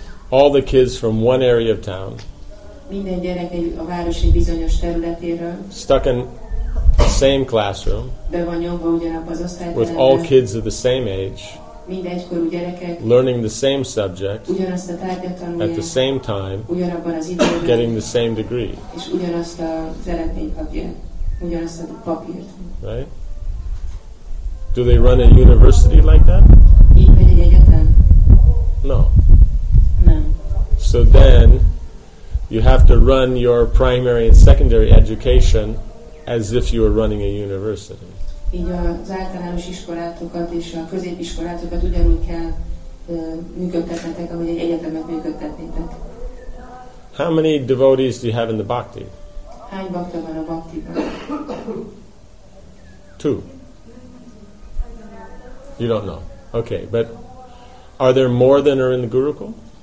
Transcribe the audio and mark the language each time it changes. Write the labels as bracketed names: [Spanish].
[English] All the kids from one area of town. [Hungarian] Minden gyerek a városi bizonyos területéről. [English] Stuck in the same classroom. [Hungarian] Be van nyomva ugyanabba az osztályterembe. [English] With all kids of the same age. [Hungarian] Mindegykorú gyerekek. [English] Learning the same subject. [Hungarian] Ugyanazt a tárgyat tanulják. [English] At the same time. [Hungarian] Ugyanabban az időben. [English] Getting the same degree. [Hungarian] És ugyanazt az eredményt kapják. Ugyanazt a papírt. [English] Right? Do they run a university like that? [Hungarian] Így megy egy egyetem? [English] No. So then, you have to run your primary and secondary education as if you were running a university. [Hungarian] Így az általános iskolátokat és a középiskolátokat ugyanúgy kell működtetnetek, ahogy egy egyetemet működtetnétek. [English] How many devotees do you have in the bhakti? [Hungarian] Hány bhakta van a bhaktiban? [English] Two. You don't know. Okay, but are there more than are in the Gurukul?